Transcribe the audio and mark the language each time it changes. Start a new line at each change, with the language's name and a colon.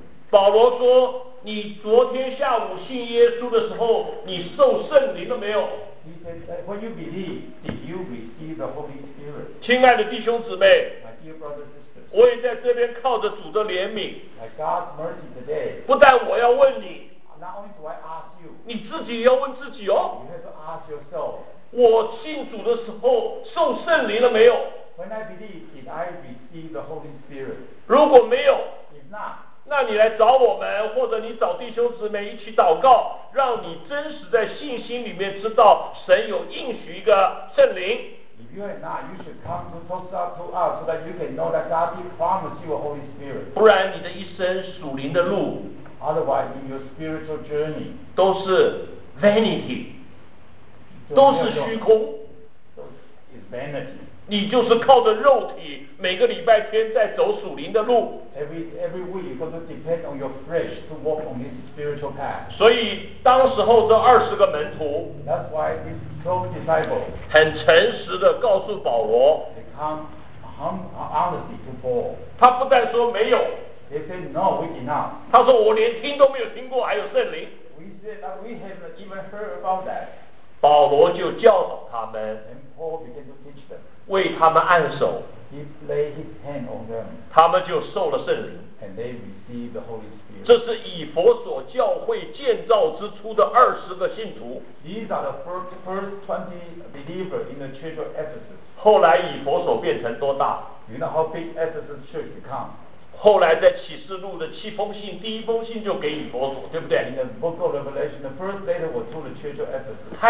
Chinese: 保罗说，你昨天下午信耶稣的时候，你受圣灵了没有？
English: When you believe, did you receive the Holy Spirit?
Chinese: 亲爱的弟兄姊妹，
English: My dear brother, sister,
Chinese: 我也在这边靠着主的怜悯，
English: My God's mercy today,
Chinese: 不但我要问你，
English: Not only do I ask you,
Chinese: 你自己要问自己哦，
English: You have to ask yourself,
Chinese: 我信主的时候受圣灵了没有？
English: When I believe, did I receive the Holy Spirit?
Chinese: 如果没有，
English: If not,
Chinese: 那你来找我们，或者你找弟兄姊妹一起祷告，让你真实在信心里面知道神有应许一个圣灵。
English: If you are not, you should come to talk to us so that you can know that God promised you a Holy Spirit.
Chinese: 不然你的一生属灵的路，
English: Otherwise, in your spiritual journey,
Chinese: 都是 vanity， 都是虚空。
English: Is vanity.
Chinese: 你就是靠着肉体每个礼拜天在走属灵的路。
English: every week you're going to depend on your flesh to walk on this spiritual path。
Chinese: 所以当时候这二十个门徒，
English: That's why these 12 disciples
Chinese: 很诚实的告诉保罗，
English: They come honestly to Paul。
Chinese: 他不但说没有，
English: They say no we did not。
Chinese: 他说我连听都没有听过还有圣灵。
English: We said that we haven't even heard about that。
Chinese: 保罗就教导他们，
English: And Paul began to teach them，
Chinese: 为他们按手，
English: He laid his hand on them，
Chinese: 他们就受了圣灵。
English: And they received the Holy Spirit。
Chinese: 这是以弗所教会建造之初的二十个信徒。
English: These are the first 20 believers in the church of Ephesus。
Chinese: 后来以弗所变成多大？
English: You know how big Ephesus church become。
Chinese: 后来在启示录的七封信，第一封信就给以弗所，对不对？
English: In the book of Revelation, the first letter was to the church of Ephesus。